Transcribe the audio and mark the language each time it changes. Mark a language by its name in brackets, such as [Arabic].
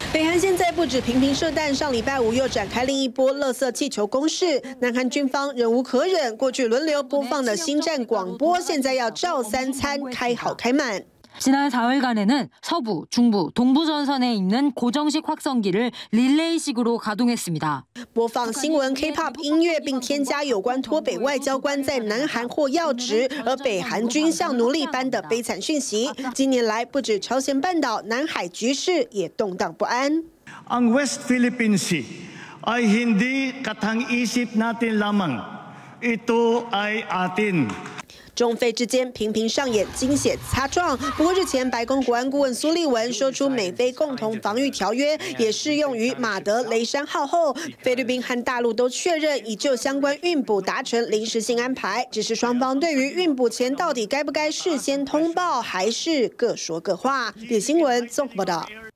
[Chinese] 北韩现在不止频频射弹，上礼拜五又展开另一波垃圾气球攻势。南韩军方忍无可忍，过去轮流播放的星战广播现在要照三餐开好开满。 [Korean] 지난4일간에는서부중부동부전선에있는고정식확성기를릴레이식으로가동했습니다 [Chinese] 播放新闻 K-POP 音乐并添加有关脱北外交官在南韩获要职而北韩军像奴隶般的悲惨讯息近年来不止朝鲜半岛南海局势也动荡不安 [Filipino] On West Philippine Sea ay hindi katang-isip natin lamang ito ay atin [Chinese] 中非之间频频上演惊险擦撞。不过日前，白宫国安顾问苏利文说出美菲共同防御条约也适用于马德雷山号后，菲律宾和大陆都确认已就相关运补达成临时性安排。只是双方对于运补前到底该不该事先通报，还是各说各话。点新闻综合报道。